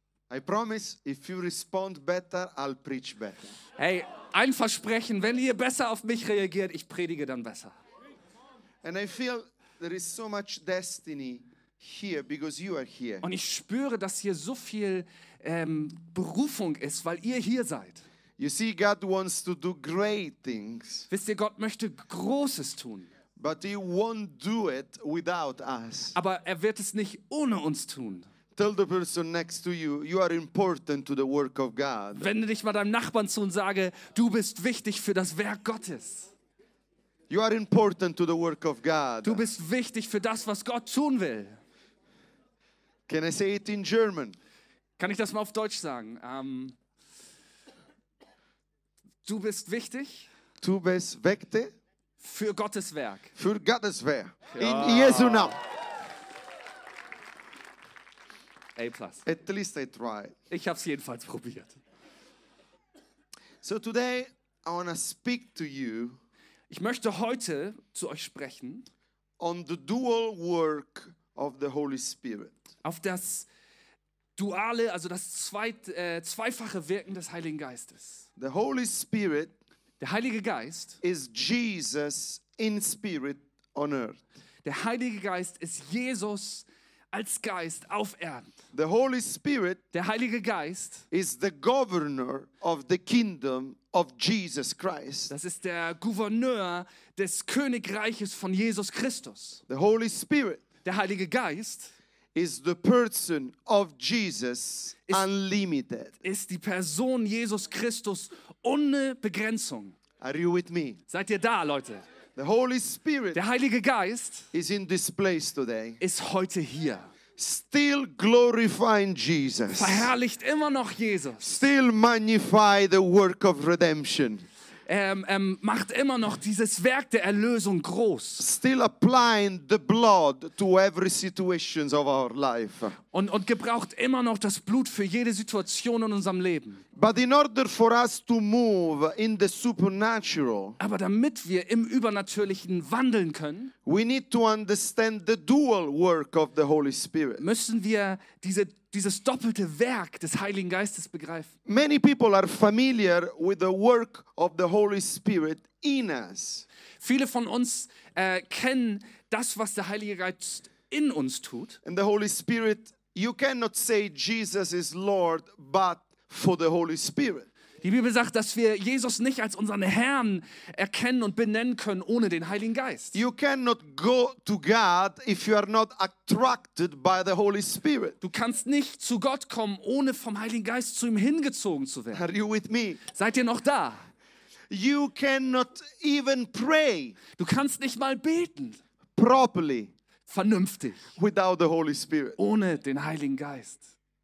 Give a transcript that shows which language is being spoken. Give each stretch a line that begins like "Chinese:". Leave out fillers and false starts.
English: I promise, if you respond better, I'll preach better.
German: Hey, ein Versprechen, wenn ihr besser auf mich reagiert, ich predige dann besser.
English: And I feel there is so much destiny here because you are here.
German: Und ich spüre, dass hier so viel Berufung ist, weil ihr hier seid.
English: You see, God wants to do great things.
German: Wisst ihr, Gott möchte Großes tun.
English: But he won't do it without us.
German: Aber er wird es nicht ohne uns tun.
English: Tell the person next to you, you are important to the work of God.
German: Wende dich mal deinem Nachbarn zu und sage, du bist wichtig für das Werk Gottes.
English: You are important to the work of God.
German: Du bist wichtig für das, was Gott tun will.
English: Can I say it in German?
German: Kann ich das mal auf Deutsch sagen? Du bist wichtig. Du bist wichtig. Für Gottes Werk. Für Gottes Werk. Ja. In Jesu Namen.
English: A plus. At least I try.
German: Ich habe es jedenfalls probiert.
English: So today I want to speak to you.
German: Ich möchte heute zu euch sprechen.
English: On the dual work of the Holy Spirit.
German: Auf das duale, also das zweifache Wirken des Heiligen Geistes.
English: The Holy Spirit.
German: Der Heilige Geist.
English: Is Jesus in spirit on earth.
German: Der Heilige Geist ist Jesus als Geist auf Erden.
English: The Holy Spirit.
German: Der Heilige Geist.
English: Is the governor of the kingdom of Jesus Christ.
German: Das ist der Gouverneur des Königreiches von Jesus Christus.
English: The Holy Spirit.
German: Der Heilige Geist.
English: Is the person of Jesus unlimited.
German: Ist die Person Jesus Christus ohne Begrenzung.
English: Are you with me?
German: Seid ihr da, Leute?
English: The Holy Spirit.
German: Der Heilige Geist.
English: Is in this place today.
German: Ist heute hier.
English: Still glorifying Jesus.
German: Verherrlicht immer noch Jesus.
English: Still magnify the work of redemption.
German: Macht immer noch dieses Werk der Erlösung groß.
English: Still applying the blood to every situation of our life.
German: Und gebraucht immer noch das Blut für jede Situation in unserem Leben.
English: But in order for us to move in the supernatural,
German: aber damit wir im Übernatürlichen wandeln können,
English: we need to understand the dual work of the Holy Spirit.
German: Müssen wir dieses doppelte Werk des Heiligen Geistes begreifen.
English: Many people are familiar with the work of the Holy Spirit in us.
German: Viele von uns kennen das, was der Heilige Geist in uns tut.
English: And the Holy Spirit, you cannot say Jesus is Lord, but for the Holy Spirit.
German: Die Bibel sagt, dass wir Jesus nicht als unseren Herrn erkennen und benennen können ohne den Heiligen Geist.
English: You cannot go to God if you are not attracted by the Holy Spirit.
German: Du kannst nicht zu Gott kommen, ohne vom Heiligen Geist zu ihm hingezogen zu werden.
English: Are you with me?
German: Seid ihr noch da?
English: You cannot even pray.
German: Du kannst nicht mal beten.
English: Properly.
German: Vernünftig.
English: Without the Holy Spirit.
German: Ohne den Heiligen Geist.